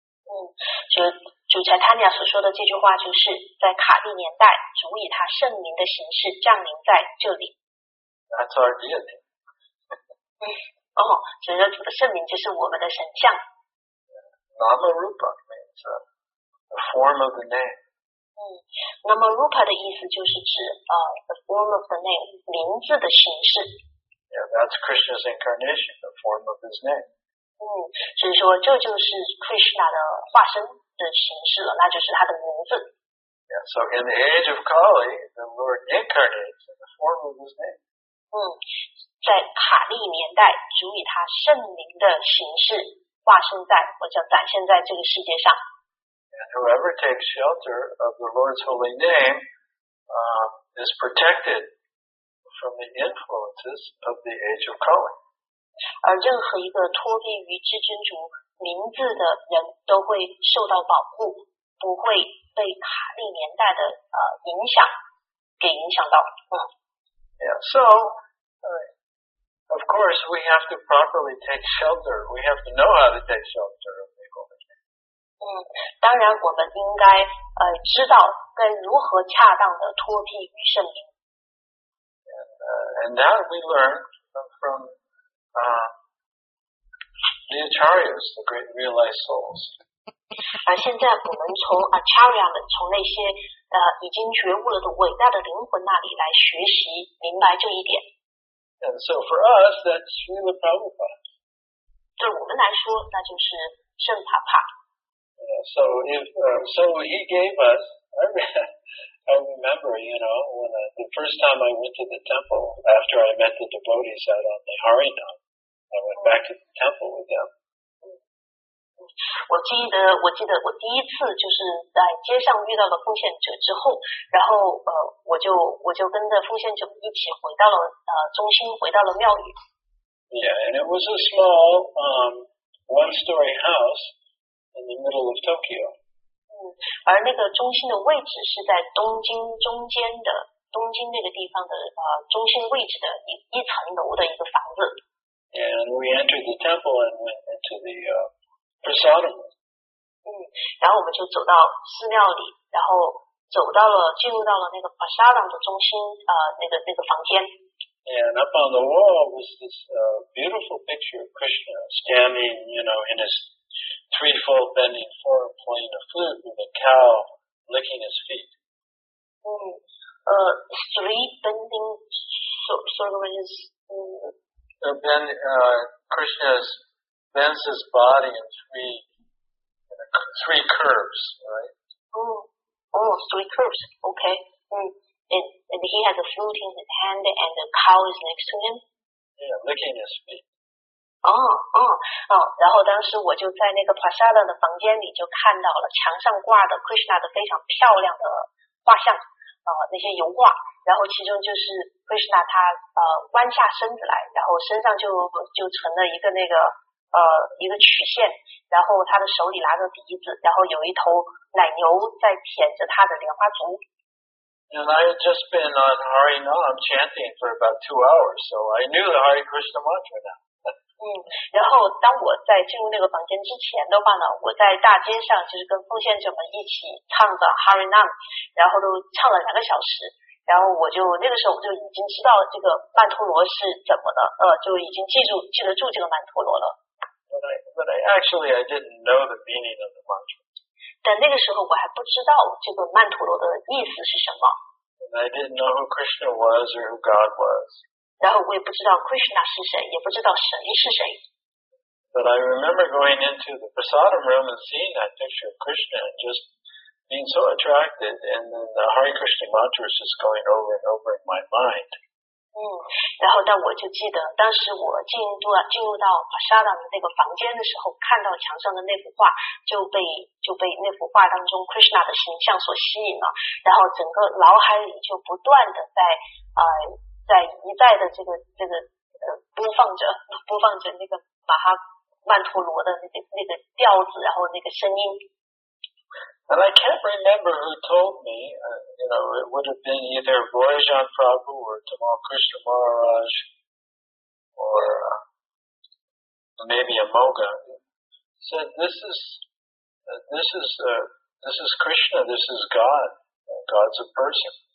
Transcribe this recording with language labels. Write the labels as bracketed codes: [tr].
[zh] 嗯，就主柴坦尼亚所说的这句话，就是在卡利年代，主以他圣名的形式降临在这里。 [en] That's our deity. [zh] 嗯，哦，所以说主的圣名就是我们的神像。 [en] Nama Rupa means the form of the name. [zh] 嗯，那么 Rupa 的意思就是指 [en] the form of the name, [zh] 名字的形式。 [en] Yeah, that's Krishna's incarnation, the form of his name. [zh] 嗯，所以说这就是 Krishna 的化身的形式了，那就是他的名字。 [en] Yeah, so in the age of Kali, the Lord incarnates in the form of his name. [zh] 嗯，在卡利年代，主以他圣名的形式化身在或者展现在这个世界上。 [en] And whoever takes shelter of the Lord's holy name, is protected from the influences of the age of Kali. [zh] 而任何一个脱离于至尊主名字的人都会受到保护，不会被卡利年代的影响给影响到。 [en] Yeah, so, of course, we have to properly take shelter. We have to know how to take shelter. [zh] 嗯，当然我们应该知道该如何恰当的脱替于圣灵。 [en] And that we learned from the Acharyas, the great realized souls. [zh] 而现在我们从 Acharya 们，从那些已经觉悟了的伟大的灵魂那里来学习明白这一点。 [en] And so for us, that's Srila Prabhupada. [zh] 对我们来说，那就是圣帕帕。 [en] So if so, he gave us. I remember, you know, when the first time I went to the temple after I met the devotees out on the Harinam, I went back to the temple with them. [zh] 我记得我第一次就是在街上遇到了奉献者之后，然后我就跟着奉献者一起回到了中心，回到了庙宇。 [en] Yeah, and it was a small one-story house. In the middle of Tokyo. [zh] 嗯，而那个中心的位置是在东京中间的东京那个地方的中心位置的一层楼的一个房子。 [en] And we entered the temple and went into the prasada room. [zh] 嗯，然后我们就走到寺庙里，然后走到了进入到了那个 prasada 的中心那个房间。 [en] And up on the wall was this beautiful picture of Krishna standing, you know, in his threefold bending form playing a flute with a cow licking his feet. 嗯，three bending sort of his. Krishna bends his body in three curves, right? 嗯，哦，three curves, okay. 嗯, and he has a flute in his hand and the cow is next to him? Yeah, licking his feet. [zh] 然后当时我就在那个 Prasada 的房间里就看到了墙上挂的 Krishna 的非常漂亮的画像那些油画，然后其中就是 Krishna 他弯下身子来，然后身上就成了一个那个一个曲线，然后他的手里拿着笛子，然后有一头奶牛在舔着他的莲花足。 [en] And I had just been on Harinam chanting for about 2 hours, so I knew the Hare Krishna mantra now. [zh] 嗯，然后当我在进入那个房间之前的话呢，我在大街上就是跟奉献者们一起唱的 Harinam， 然后都唱了两个小时，然后我就那个时候我就已经知道这个曼陀罗是怎么的，就已经记得住这个曼陀罗了。 [en] But I didn't know the meaning of the mantra. [zh] 但那个时候我还不知道这个曼陀罗的意思是什么。 [en] And I didn't know who Krishna was or who God was. [zh] 然后我也不知道 Krishna 是谁，也不知道神是谁。 [en] But I remember going into the prasadam room and seeing that picture of Krishna and just being so attracted, and then the Hare Krishna mantra was just going over and over in my mind. [zh] 然后但我就记得当时我进入到 prasadam 那个房间的时候，看到墙上的那幅画，就被那幅画当中 Krishna 的形象所吸引了，然后整个脑海里就不断的在一再的这个播放着那个马哈曼陀罗的那个调子，然后那个声音。 [en] And I can't remember who told me, it would have been either Vaishnav Prabhu or Tamal Krishna Maharaj or maybe Amoga. Said, this is Krishna, this is God. God's a person.